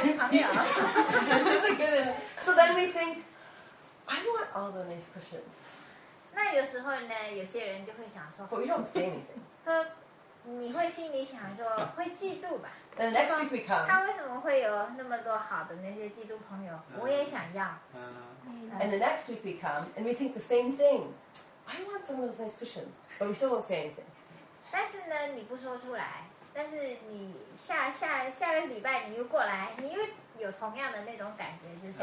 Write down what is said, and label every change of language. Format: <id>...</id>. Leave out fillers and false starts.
<en>So then we think, I want all the nice cushions.</en> <zh>那有时候呢，有些人就会想说，</zh> <en>But we don't say anything.</en> <zh>你会心里想说，会嫉妒吧。</zh> <en>And the next week we come.</en> <zh>他为什么会有那么多好的那些基督朋友？我也想要。</zh> <en>And the next week we come, and we think the same thing. I want some of those nice cushions, but we still won't say anything.</en> <zh>但是呢，你不说出来，但是你下个礼拜你又过来，你又有同样的那种感觉，就是。</zh>